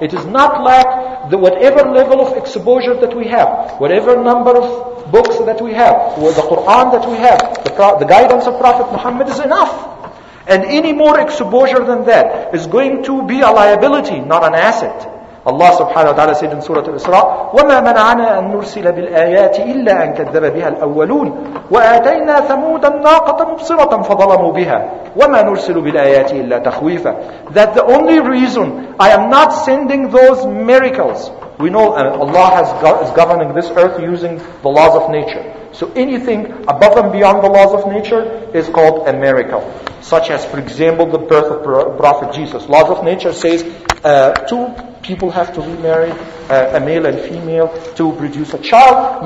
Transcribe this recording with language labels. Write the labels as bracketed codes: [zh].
[en] It is not lack that whatever level of exposure that we have, whatever number of books that we have, or the Qur'an that we have, the guidance of Prophet Muhammad is enough. And any more exposure than that is going to be a liability, not an asset. Allah subhanahu wa ta'ala said in Surah Al-Isra, [ar] وَمَا مَنَعَنَا أَن نُرْسِلَ بِالْآيَاتِ إِلَّا أَن كَذَّبَ بِهَا الْأَوَّلُونَ وَآتَيْنَا ثَمُودَ النَّاقَةَ مُبْصِرَةً فَظَلَمُوا بِهَا وَمَا نُرْسِلُ بِالْآيَاتِ إِلَّا تَخْوِيفًا. [en] That the only reason I am not sending those miracles, we know Allah is governing this earth using the laws of nature. So anything above and beyond the laws of nature is called a miracle. Such as, for example, the birth of Prophet Jesus. Laws of nature says two people have to remarry, a male and female, to produce a child.